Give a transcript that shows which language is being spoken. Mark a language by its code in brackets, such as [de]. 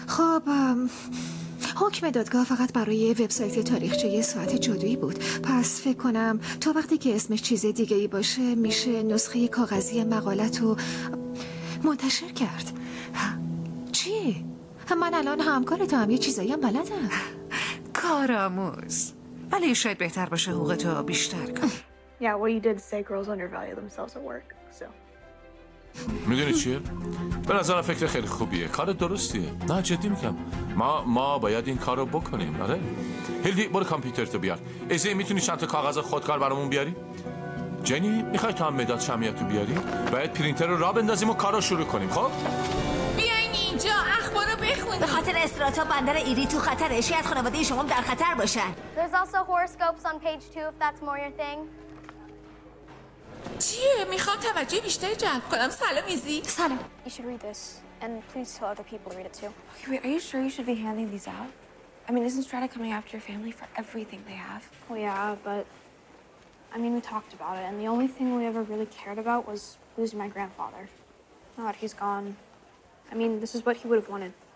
[fa] خب حکم دادگاه فقط برای وبسایت تاریخچه ساعت جادویی بود، پس فکر کنم تا وقتی که اسمش چیز دیگه ای باشه میشه نسخه کاغذی مقالتو منتشر کرد. چی؟ من الان همکارتو هم یه چیزایی هم بلدم. کارآموز، ولی شاید بهتر باشه حقوقتو بیشتر کن. [en] Yeah, what you did say, girls undervalue themselves at work, so. [fa] میدونی چیه؟ به نظرم فکر خیلی خوبیه. کار درستیه. نه جدی میگم. ما باید این کارو بکنیم. آره. هیلدی برو کامپیوتر تو بیار. ایزی میتونی چند تا کاغذ خودکار برامون بیاری؟ جنی میخوای تا هم مداد شمعیتو بیاری؟ باید پرینتر رو راه بندازیم و کارو شروع کنیم. خب؟ بیاین اینجا اخبارو بخونید. به خاطر استراتا بندر ایری تو خطر اشی از خانواده شما در خطر باشن. [en] There's also horoscopes on page 2 if that's more your thing. [fa] چیه؟ میخوام توجه بیشتری جلب کنم. سلام ایزی. سلام. [en] You should read this and please tell other people to read it too. Okay, wait, are you sure you should be handing these out? I mean, isn't Strata coming after your family for everything they have? Well, yeah, but I mean, we talked about it and the only thing we ever really cared about was losing my grandfather. Now that he's gone, I mean, this is what he would have wanted.